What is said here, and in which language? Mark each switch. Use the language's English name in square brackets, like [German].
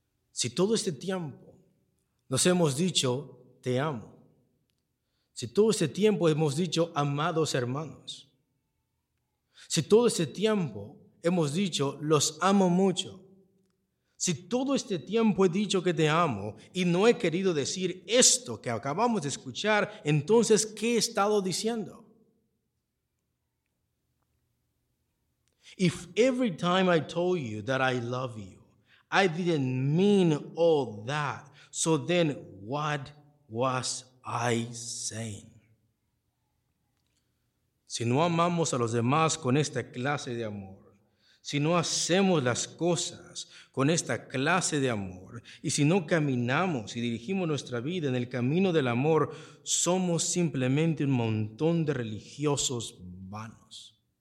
[Spanish] Si todo este tiempo nos hemos dicho te amo, si todo este tiempo hemos dicho amados hermanos, si todo este tiempo hemos dicho los amo mucho, si todo este tiempo he dicho que te amo y no he querido decir esto que acabamos de escuchar, entonces ¿qué he estado diciendo? [English] If every time I told you that I love you, I didn't mean all that, so then what was I saying? [Spanish] Si no amamos a los demás con esta clase de amor, si no hacemos las cosas con esta clase de amor, y si no caminamos y dirigimos nuestra vida en el camino del amor, somos simplemente un montón de religiosos vanos.